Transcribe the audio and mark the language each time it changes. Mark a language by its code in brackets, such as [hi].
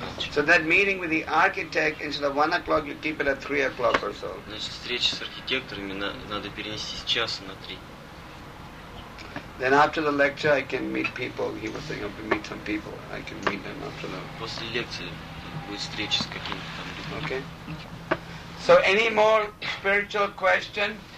[en] So that meeting with the architect instead of 1 o'clock, you keep it at 3 o'clock or so. [ru] Значит, встреча с архитекторами надо перенести с часа на три. [en] Then after the lecture, I can meet people. He was saying, I can meet some people. I can meet them after the. [ru] После лекции будет встреча с какими-то там людьми. [en] Okay. So any more spiritual question?